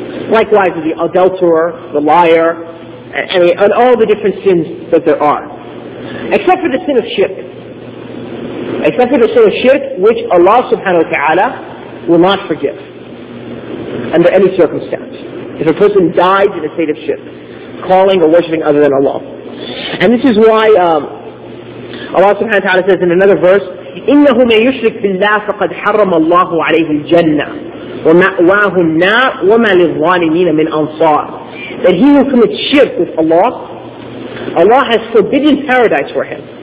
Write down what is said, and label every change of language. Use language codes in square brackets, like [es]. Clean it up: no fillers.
[en] Likewise, the adulterer, the liar, and all the different sins that there are. Except for the sin of shirk. Except for the sin of shirk, which Allah subhanahu wa ta'ala will not forgive under any circumstance. If a person died in a state of shirk, calling or worshipping other than Allah. And this is why Allah subhanahu wa ta'ala says in another verse, [ar] إِنَّهُ مَنْ يُشْرِكْ بِاللَّهِ فَقَدْ حَرَّمَ اللَّهُ عَلَيْهِ الْجَنَّةِ وَمَأْوَاهُ النَّارِ وَمَا لِلظَّالِمِينَ مِنْ أَنصَارِ. [en] That he who commits shirk with Allah, Allah has forbidden paradise for him.